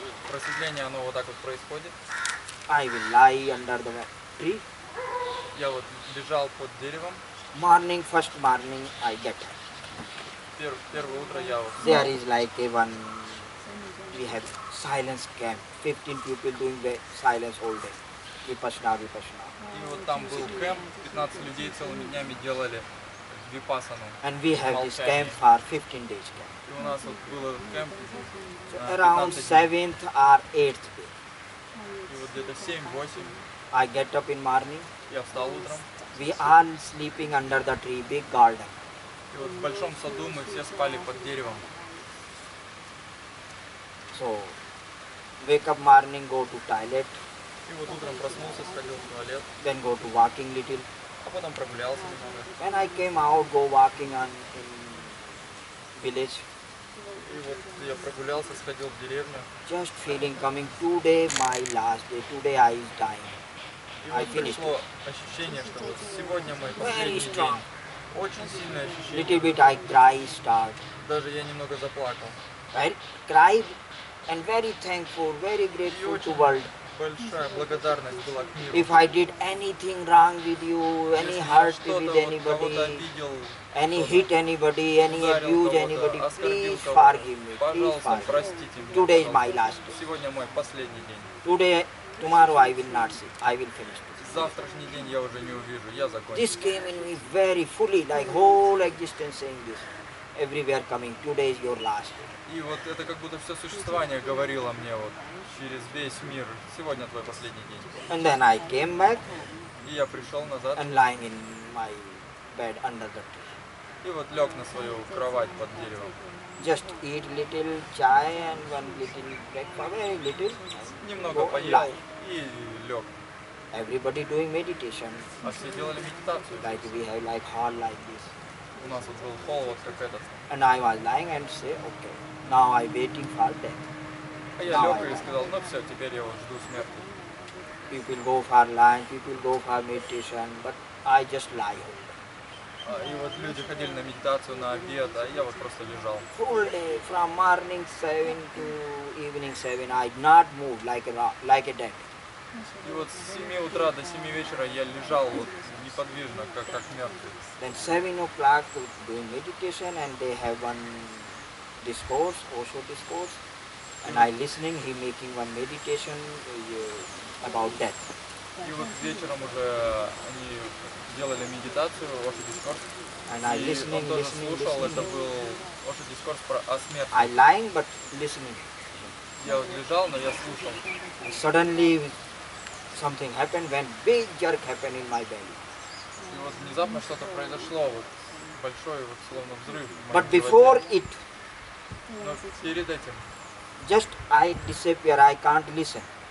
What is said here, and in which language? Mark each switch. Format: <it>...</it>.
<ru>Просветление, оно вот так вот происходит.</ru> <en>I will lie under the tree.</en> <ru>Я вот лежал под деревом.</ru> <en>Morning, first morning, I get.</en> <ru>Первое утро я вот...</ru> <en>There is like a one... We have silence camp. 15 people doing the silence all day.</en> <ru>Випасана, випасана. И вот там был кэмп, 15 людей целыми днями делали випасану.</ru> <en>And we have this camp for 15 days camp.</en> <ru>И у нас вот был этот кэмп.</ru> <en>So around 7th or 8th day.</en> <ru>И вот где-то 7-8.</ru> <en>I get up in morning.</en> <ru>Я встал утром.</ru> <en>We are sleeping under the tree, big garden.</en> <ru>И вот в большом саду мы все спали под деревом.</ru> <en>So, wake up morning, go to toilet.</en> <ru>И вот утром проснулся, сходил в туалет.</ru> <en>Then go to walking little.</en> <ru>А потом прогулялся немного.</ru> <en>When I came out, go walking on in village.</en> <ru>И вот я прогулялся, сходил в деревню.</ru> <en>Just feeling coming today, my last day. Today I is dying.</en> <ru>И вот пришло ощущение, что вот сегодня мой последний день. Очень сильное ощущение.</ru> <en>Little bit I cry start.</en> <ru>Даже я немного заплакал.</ru> <en>I cry and very thankful, very grateful to world.</en> <ru>Большая благодарность была к миру.</ru> <en>If I did anything wrong with you, any hurt with anybody, any hit anybody, any abuse anybody, please forgive me.</en> <ru>Пожалуйста, простите меня.</ru> <en>Today is my last day.</en> <ru>Сегодня мой последний день.</ru> <en>Today, tomorrow I will not see. I will finish.</en> <ru>Завтрашний день я уже не увижу. Я закончу.</ru> <en>This came in me very fully, like whole existence saying this. Everywhere coming. Today is your last day.</en> <ru>И вот это как будто все существование говорило мне вот через весь мир. Сегодня твой последний день.</ru> <en>And then I came back.</en> <ru>И я пришел назад.</ru> <en>And lying in my bed under the tree.</en> <ru>И вот лег на свою кровать под деревом.</ru> <en>Just eat little chai and one little breakfast, very little.</en> <ru>Немного поел</ru> <en>lie.</en> <ru>И лег.</ru> <en>Everybody doing meditation.</en> <ru>А все делали медитацию.</ru> <en>Like we have like hall like this.</en> <ru>У нас вот был холл вот как этот.</ru> <en>And I was lying and say, okay, now I waiting for death.</en> <ru>А я лег и сказал, ну все, теперь я вот жду смерти.</ru> <en>people go for lunch, people go for meditation, but I just lie.</en> <ru>И вот люди ходили на медитацию, на обед, а я вот просто лежал.</ru> <en>Full day, from morning 7 to evening 7, I not move like a dead.</en> <ru>И вот с 7 утра до 7 вечера я лежал вот неподвижно, как мертвый.</ru> <en>Then 7 o'clock doing meditation, and they have one discourse, Osho discourse, and I listening, he making one meditation about death.</en> <ru>И вот вечером уже они делали медитацию,</ru> <en>Osho discourse, and</en> <ru>и он тоже слушал,</ru> <en>listening.</en> <ru>Это был</ru> <en>Osho discourse</en> <ru>про о смерти.</ru> <en>I lying, but listening.</en> <ru>Я вот лежал, но я слушал.</ru> <en>And suddenly something happened, when big jerk happened in my belly.</en> <ru>И вот внезапно что-то произошло, вот большой вот словно взрыв.</ru> <en>But before it,</en> <ru>но перед этим,</ru> <en>just I disappear, I can't listen.</en>